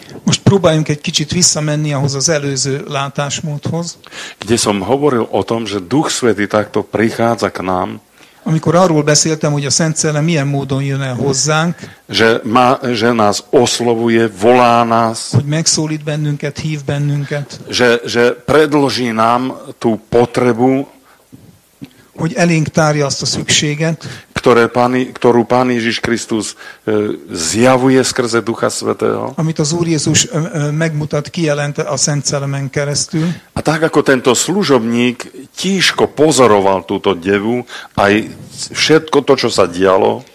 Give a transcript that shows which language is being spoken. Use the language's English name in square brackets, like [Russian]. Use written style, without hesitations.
[Hungarian] Most próbáljunk egy kicsit visszamenni ahhoz az előző látásmódhoz. [Slovak] Kde som hovoril o tom, že Duch Svätý takto prichádza k nám. [Hungarian] Amikor arról beszéltem, hogy a Szent Szellem milyen módon jön el hozzánk, [Slovak] že nás oslovuje, volá nás, [Hungarian] hogy megszólít bennünket, hív bennünket, [Slovak] že predloží nám tú potrebu, [Hungarian] hogy elénk tárja azt a szükséget, [Slovak] ktorú Pán Ježiš Krisztus zjavuje skrze Ducha Svätého, [Hungarian] amit az Úr Jézus megmutat, kijelent a Szent Szellemen keresztül. [Slovak] A tak, ako tento služobník tíško pozoroval túto devu, aj všetko to, čo sa dialo,